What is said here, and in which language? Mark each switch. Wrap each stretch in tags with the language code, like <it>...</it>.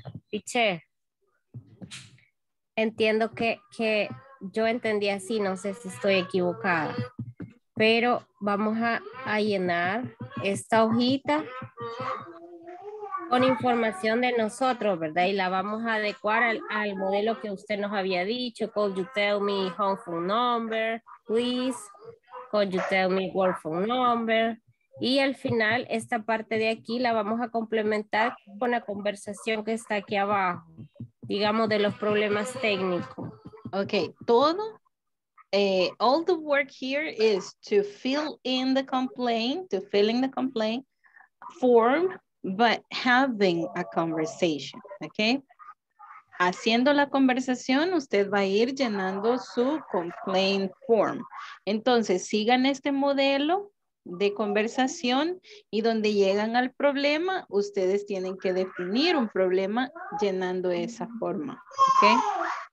<es>Teacher, entiendo que yo entendí así, no sé si estoy equivocada, pero vamos a llenar esta hojita con información de nosotros, ¿verdad? Y la vamos a adecuar al modelo que usted nos había dicho.</es> <en>Could you tell me home phone number, please? Could you tell me work phone number?</en> <es>Y al final, esta parte de aquí la vamos a complementar con la conversación que está aquí abajo, digamos, de los problemas técnicos.</es> <en>Okay, todo, all the work here is to fill in the complaint, form, but having a conversation, okay?</en> <es>haciendo la conversación, usted va a ir llenando su complaint form. Entonces, sigan este modelo de conversación y donde llegan al problema, ustedes tienen que definir un problema llenando esa forma, ¿ok?</es>